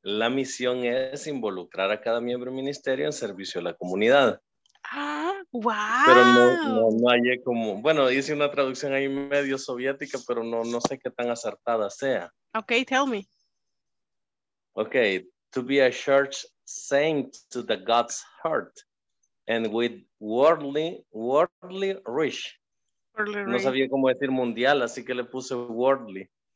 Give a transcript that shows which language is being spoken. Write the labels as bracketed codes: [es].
[es] La misión es involucrar a cada miembro del ministerio en servicio a la comunidad. Ah, wow. Pero no hay como, bueno, hice una traducción ahí medio soviética, pero no sé qué tan acertada sea. [en] Okay, tell me. Okay, to be a church saint to the God's heart and with worldly rich. [es] No sabía cómo decir mundial, así que le puse worldly.